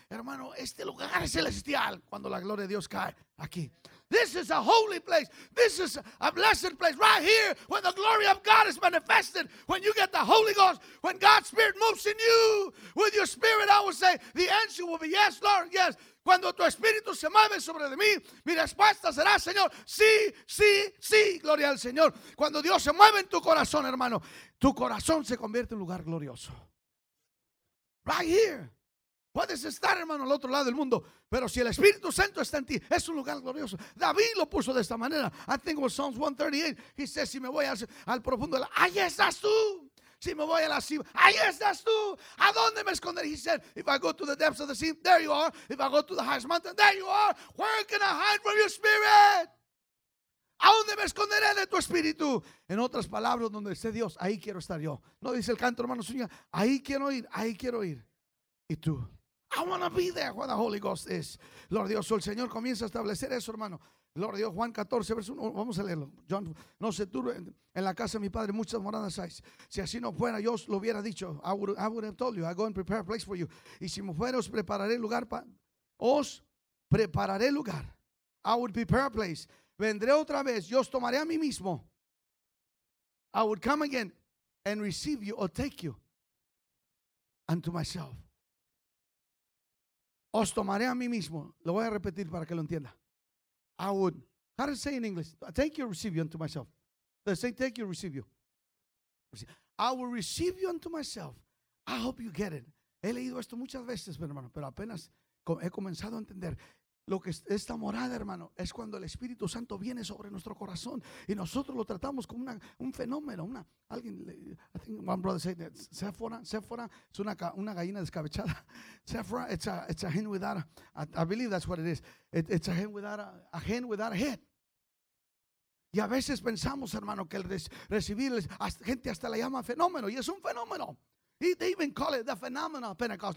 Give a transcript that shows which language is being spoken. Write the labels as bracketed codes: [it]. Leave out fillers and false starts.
[es] Hermano, este lugar es celestial. Cuando la gloria de Dios cae aquí. [en] This is a holy place. This is a blessed place. Right here, when the glory of God is manifested. When you get the Holy Ghost. When God's Spirit moves in you. With your spirit, I would say, the answer will be yes, Lord, yes. [es] Cuando tu espíritu se mueve sobre de mí, mi respuesta será, Señor, sí, sí, sí, gloria al Señor. Cuando Dios se mueve en tu corazón, hermano, tu corazón se convierte en un lugar glorioso. [en] Right here. [es] Puedes estar, hermano, al otro lado del mundo. Pero si el Espíritu Santo está en ti, es un lugar glorioso. David lo puso de esta manera. [en] I think it was Psalms 138. He says, [es] si me voy al profundo, ahí estás tú. Si me voy a la cima, ahí estás tú. ¿A dónde me esconderé? [en] He said, if I go to the depths of the sea, there you are. If I go to the highest mountain, there you are. Where can I hide from your spirit? [es] ¿A dónde me esconderé de tu espíritu? En otras palabras, donde esté Dios, ahí quiero estar yo. No dice el canto, hermano Zúñiga, ahí quiero ir, ahí quiero ir. ¿Y tú? [en] I want to be there where the Holy Ghost is. [es] Lord Dios, el Señor comienza a establecer eso, hermano. Lord Dios, Juan 14, verso 1, vamos a leerlo. John, no se turbe, en la casa de mi padre muchas moradas hay. Si así no fuera, yo os lo hubiera dicho. [en] I would have told you, I go and prepare a place for you. [es] Y si me fuera, os prepararé lugar. [en] I would prepare a place. [es] Vendré otra vez, yo os tomaré a mí mismo. [en] I would come again and receive you or take you unto myself. [es] Os tomaré a mí mismo. Lo voy a repetir para que lo entienda. [en] I would. How does it say in English? Take you or receive you unto myself. Does it say take you or receive you? I will receive you unto myself. I hope you get it. [es] He leído esto muchas veces, mi hermano, pero apenas he comenzado a entender. Lo que es esta morada, hermano, es cuando el Espíritu Santo viene sobre nuestro corazón y nosotros lo tratamos como un fenómeno. [en] Alguien, I think one brother said that. [es] Sephora es una gallina descabechada. [en] Sephora, it's a hen without a, I believe that's what it is. It's a hen without a head. [es] Y a veces pensamos, hermano, que el recibir gente hasta la llama fenómeno y es un fenómeno. [en] They even call it the phenomenon of Pentecost.